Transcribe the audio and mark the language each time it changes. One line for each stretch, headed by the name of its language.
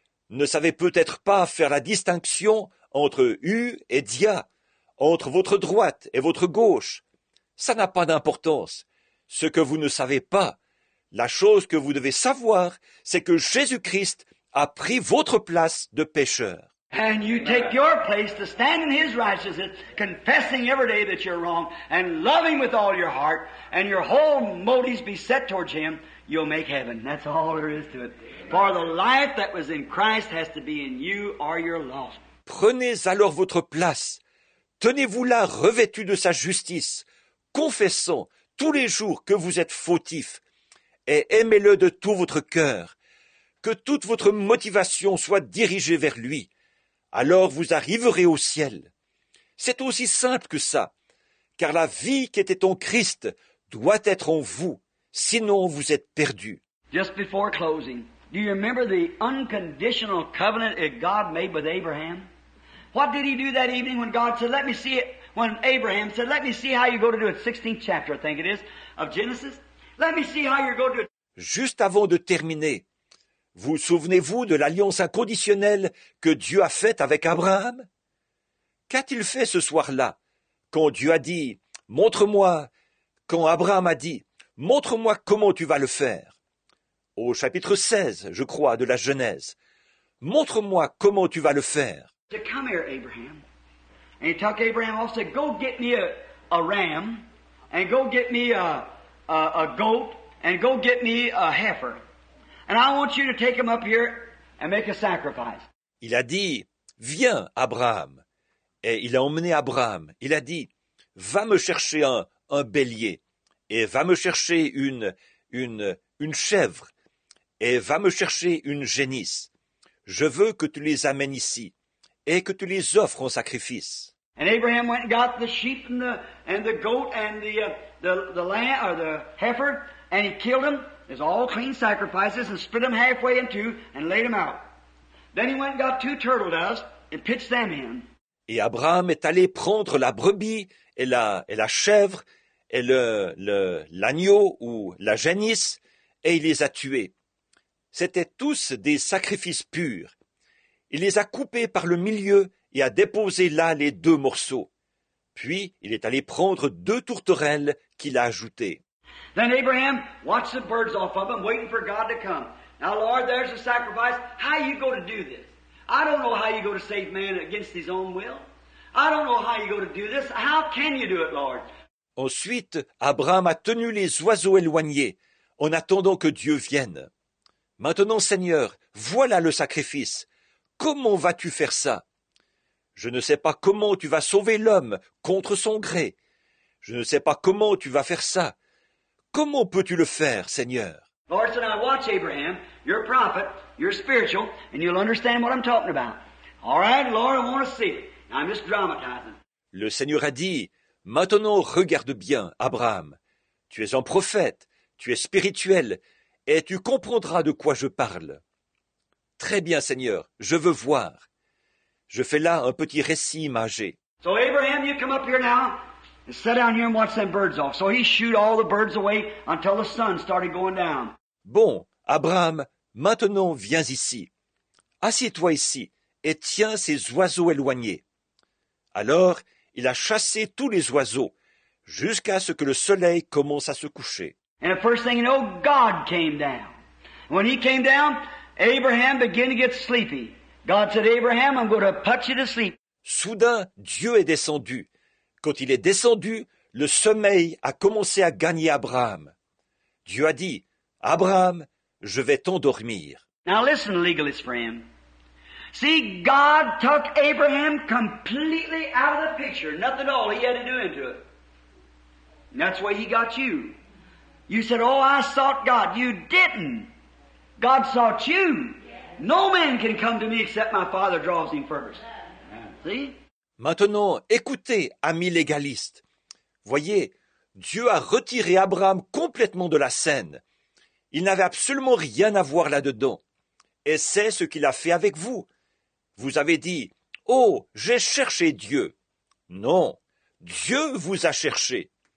French: Ne savez peut-être pas faire la distinction entre U et Dia, entre votre droite et votre gauche. Ça n'a pas d'importance. Ce que vous ne savez pas, la chose que vous devez savoir, c'est que Jésus-Christ a pris votre place de pécheur.
English: And you take your place to stand in his righteousness, confessing every day that you're wrong, and loving with all your heart, and your whole motives be set towards him, you'll make heaven. That's all there is to it. For the life that was in Christ has to be in you or you're lost.
French: Prenez alors votre place. Tenez-vous là revêtu de sa justice, confessant tous les jours que vous êtes fautif, et aimez-le de tout votre cœur. Que toute votre motivation soit dirigée vers lui. Alors vous arriverez au ciel. C'est aussi simple que ça, car la vie qui était en Christ doit être en vous, sinon vous êtes perdu.
English: Just before closing, do you remember the unconditional covenant that God made with Abraham? What did he do that evening when God said, let me see it, when Abraham said, let me see how you're going to do it, 16th chapter, I think it is, of Genesis. Let me see how you're going to do it.
French: Juste avant de terminer, vous souvenez-vous de l'alliance inconditionnelle que Dieu a faite avec Abraham? Qu'a-t-il fait ce soir-là, quand Dieu a dit, montre-moi, quand Abraham a dit, montre-moi comment tu vas le faire? Au chapitre 16, je crois, de la Genèse, montre-moi comment tu vas le faire.
English: To come here, Abraham. And he took Abraham off, said, go get me a ram, and go get me a goat, and go get me a heifer. And I want you to take him up here and make a sacrifice.
French: Il a dit, viens, Abraham. Et il a emmené Abraham. Il a dit, va me chercher un bélier. Et va me chercher une chèvre. Et va me chercher une génisse. Je veux que tu les amènes ici et que tu les offres en sacrifice.
English: And Abraham went and got the sheep and the goat and the lamb or the heifer, and he killed them as all clean sacrifices and split them halfway in two and laid them out. Then he went and got two turtle doves and pitched them in.
French: Et Abraham est allé prendre la brebis et la chèvre et l'agneau ou la génisse et il les a tués. C'étaient tous des sacrifices purs. Il les a coupés par le milieu et a déposé là les deux morceaux. Puis il est allé prendre deux tourterelles qu'il a ajoutées.
English: Then Abraham watched the birds off of them, waiting for God to come. Now, Lord, there's a sacrifice. How are you going to do this? I don't know how you go to save man against his own will. I don't know how you go to do this. How can you do it, Lord?
French: Ensuite, Abraham a tenu les oiseaux éloignés, en attendant que Dieu vienne. Maintenant, Seigneur, voilà le sacrifice. Comment vas-tu faire ça? Je ne sais pas comment tu vas sauver l'homme contre son gré. Je ne sais pas comment tu vas faire ça. Comment peux-tu le faire, Seigneur?
English: Lord, so now watch Abraham. You're a prophet. You're spiritual, and you'll understand what I'm talking about. All right, Lord, I want to see it. I'm just dramatizing.
French: Le Seigneur a dit: Maintenant, regarde bien, Abraham. Tu es un prophète. Tu es spirituel. Et tu comprendras de quoi je parle. Très bien, Seigneur, je veux voir. Je fais là un petit récit imagé.
English: So Abraham, you come up here now and sit down here and watch them birds off. So he shoot all the birds away until the sun started going down.
French: Bon, Abraham, maintenant viens ici. Assieds-toi ici et tiens ces oiseaux éloignés. Alors, il a chassé tous les oiseaux jusqu'à ce que le soleil commence à se coucher.
English: And the first thing you know, God came down. When he came down, Abraham began to get sleepy. God said, Abraham, I'm going to put you to sleep.
French: Soudain, Dieu est descendu. Quand il est descendu, le sommeil a commencé à gagner Abraham. Dieu a dit, Abraham, je vais t'endormir.
English: Now listen, legalist friend. See, God took Abraham completely out of the picture. Nothing at all he had to do into it. And that's why he got you. You said, oh, I sought God. You didn't. God sought you. No man can come to me except my Father draws him first. See?
French: Maintenant, écoutez, amis légalistes. Voyez, Dieu a retiré Abraham complètement de la scène. Il n'avait absolument rien à voir là-dedans. Et c'est ce qu'il a fait avec vous. Vous avez dit, oh, j'ai cherché Dieu. Non, Dieu vous a cherché.